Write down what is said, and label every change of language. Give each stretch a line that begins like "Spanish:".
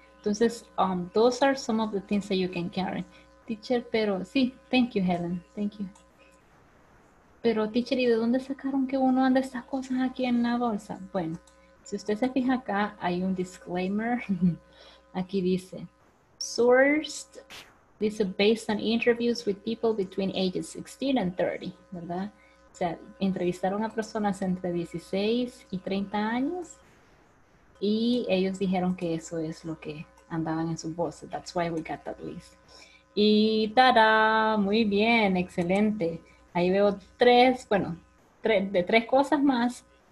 English: Entonces, those are some of the things that you can carry. Teacher,
Spanish: pero, sí,
English: thank you, Helen. Thank you.
Spanish: Pero, teacher, ¿y de dónde sacaron que uno anda estas cosas aquí en la bolsa? Bueno, si usted se fija acá, hay un disclaimer. Aquí dice, sourced, dice,
English: based on interviews with people between ages 16 and 30,
Spanish: ¿verdad? O sea, entrevistaron a personas entre 16 y 30 años y ellos dijeron que eso es lo que andaban en sus bolsas.
English: That's why we got that list.
Spanish: Y ¡tada! Muy bien, excelente. Ahí veo tres, bueno, tres cosas más.